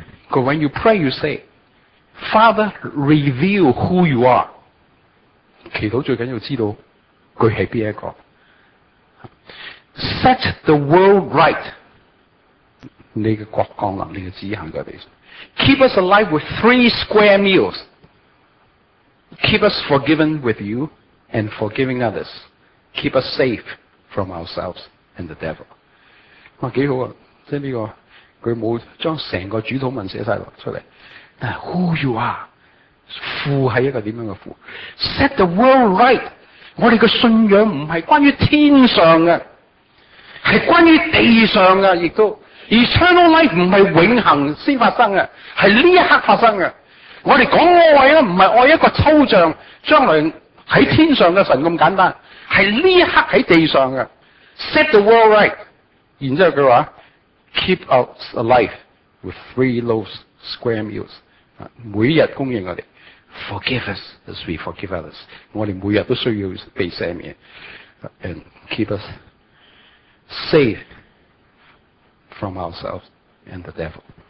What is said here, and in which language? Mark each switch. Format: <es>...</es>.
<en>佢 when you pray, you say, Father, reveal who you are.</en> <yue>祈祷最紧要知道佢系边一个。</yue> <en>Set the world right.</en> <yue>你嘅国降临，你嘅旨意行在地上。</yue> <en>Keep us alive with three square meals. Keep us forgiven with you and forgiving others. Keep us safe from ourselves and the devil.</en> <yue>哇，几好啊！即系呢个。佢冇將成個主祷文寫曬出嚟，但係</yue> <en>who you are，</en> <yue>父係一個點樣嘅父 ？</yue> <en>Set the world right，</en> <yue>我哋嘅信仰唔係關於天上嘅，係關於地上嘅，亦都 eternal life 唔係永恆先發生嘅，係呢一刻發生嘅。我哋講愛咧，唔係愛一個抽象，將來喺天上嘅神咁簡單，係呢一刻喺地上嘅。</yue> <en>Set the world right，</en> <yue>然之後佢話。</yue> <en>Keep us alive with three loaves, square meals.</en> <yue>每日供应我哋。</yue> <en>Forgive us as we forgive others.</en> <yue>我哋每日都需要被赦免。</yue> <en>And keep us safe from ourselves and the devil.</en>